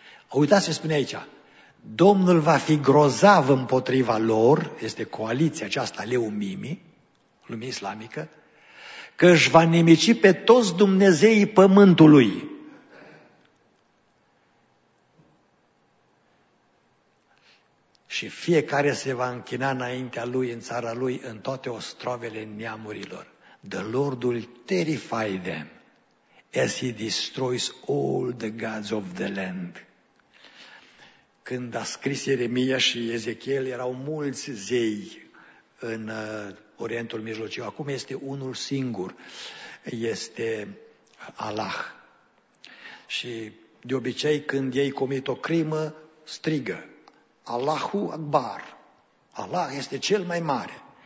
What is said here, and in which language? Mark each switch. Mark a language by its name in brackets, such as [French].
[Romanian] Uitați ce spune aici: Domnul va fi grozav împotriva lor, este coaliția aceasta Leumimii, lumea islamică, că își va nimici pe toți dumnezeii pământului. Și fiecare se va închina înaintea lui, în țara lui, în toate ostrovele neamurilor. [English] The Lord will terrify them as he destroys all the gods of the land. [Romanian] Când a scris Ieremia și Ezechiel, erau mulți zei în Orientul Mijlociu. Acum este unul singur, este Allah. Și de obicei, când ei comit o crimă, strigă: Allahu Akbar, Allah este cel mai mare.